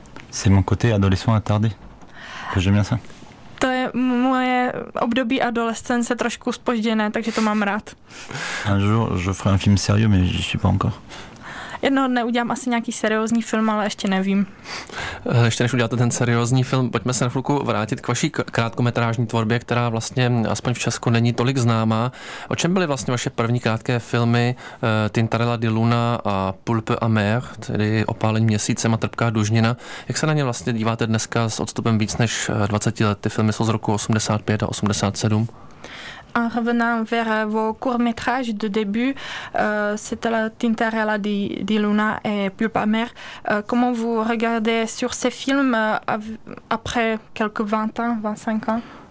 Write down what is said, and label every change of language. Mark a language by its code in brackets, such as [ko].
[fr] C'est mon côté adolescent attardé. J'aime bien ça. [cs] To je moje období adolescence trošku spožděné, takže to mám rád. [fr] Un jour, je ferai un film sérieux, mais je suis pas encore. [cs] Jednoho dne udělám asi nějaký seriózní film, ale ještě nevím. Ještě než uděláte ten seriózní film, pojďme se na chvilku vrátit k vaší krátkometrážní tvorbě, která vlastně aspoň v Česku není tolik známá. O čem byly vlastně vaše první krátké filmy Tintarella di Luna a Pulpe a Mer, tedy Opálení měsícem a Trpká dužnina? Jak se na ně vlastně díváte dneska s odstupem víc než 20 let? Ty filmy jsou z roku 85 a 87. [fr] En revenant vers vos courts-métrages de début, c'était la Tintarella di Luna et Pulpe à mer. Comment vous regardez sur ces films après quelques 20 ans, 25 ans?